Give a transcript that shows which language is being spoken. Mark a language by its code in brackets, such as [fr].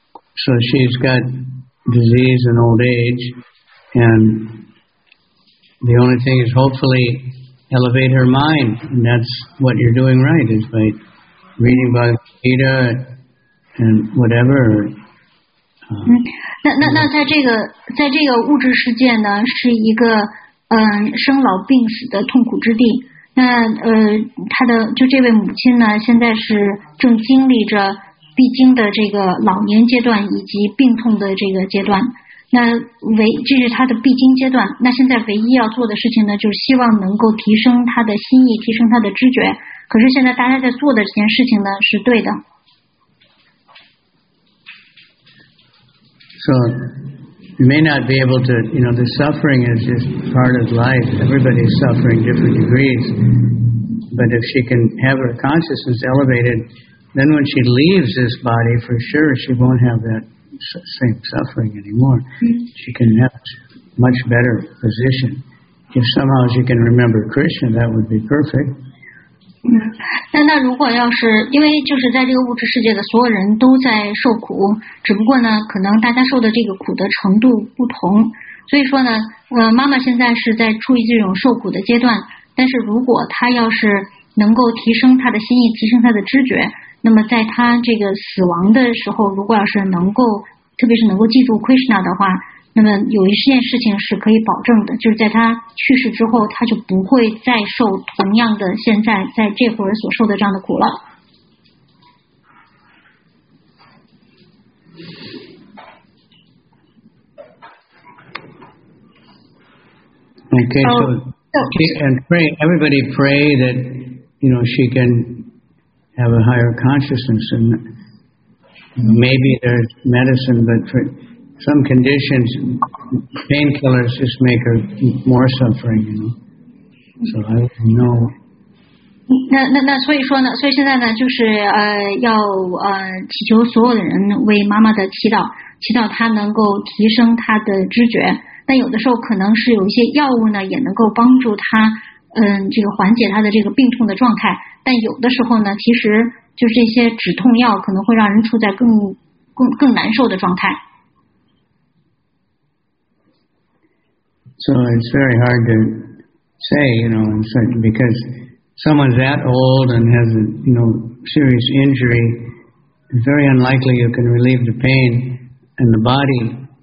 [en] So she's got disease and old age, and the only thing is hopefully elevate her mind, and that's what you're doing right, is by reading Bhagavad Gita and whatever. [zh] 那在这个物质世界呢，是一个生老病死的痛苦之地。那他的就这位母亲呢，现在是正经历着必经的这个老年阶段以及病痛的这个阶段。那这是他的必经阶段。那现在唯一要做的事情呢，就是希望能够提升他的心意，提升他的知觉。可是现在大家在做的这件事情呢，是对的。 [en] So you may not be able to, you know, the suffering is just part of life. Everybody's suffering different degrees. But if she can have her consciousness elevated, then when she leaves this body, for sure, she won't have that same suffering anymore. She can have a much better position. If somehow she can remember Krishna, that would be perfect. [zh] 那如果要是因为就是在这个物质世界的所有人都在受苦，只不过呢可能大家受的这个苦的程度不同，所以说呢妈妈现在是在处于这种受苦的阶段，但是如果她要是能够提升她的心意，提升她的知觉，那么在她这个死亡的时候，如果要是能够特别是能够记住 Krishna 的话，那么有一件事情是可以保证的，就是在他去世之后，他就不会再受同样的现在在这会儿所受的这样的苦了。 [en] Okay, so and pray, everybody pray that you know she can have a higher consciousness, and maybe there's medicine, but for some conditions, painkillers just make her more suffering, you know. So I know. [zh] 那所以说呢，所以现在呢，就是要祈求所有的人为妈妈的祈祷，祈祷她能够提升她的知觉。但有的时候可能是有一些药物呢，也能够帮助她，这个缓解她的这个病痛的状态。但有的时候呢，其实就是这些止痛药可能会让人处在更难受的状态。 [en] So it's very hard to say, you know, because someone that old and has a, you know, serious injury, it's very unlikely you can relieve the pain in the body.